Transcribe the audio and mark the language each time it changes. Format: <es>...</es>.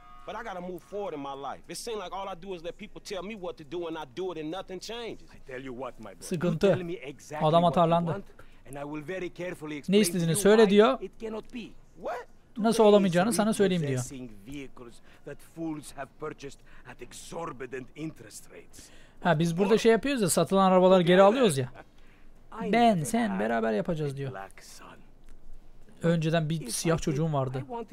<en>But I gotta move forward in my life. It seems like all I do is let people tell me what to do and I do it and nothing changes. I tell you what, my boy. You tell me exactly</en> <tr>adam atarlandı.</tr> <en>And I will very carefully explain.</en> <tr>Ne istediğini söyle diyor.</tr> <en>It cannot be. What?</en> <tr>Nasıl olamayacağını sana söyleyeyim diyor.</tr> <en>Vehicles that fools have purchased at exorbitant interest rates.</en> <tr>Ha biz burada şey yapıyoruz ya, satılan arabaları geri alıyoruz ya. Ben sen beraber yapacağız diyor. Önceden bir siyah çocuğum vardı.</tr>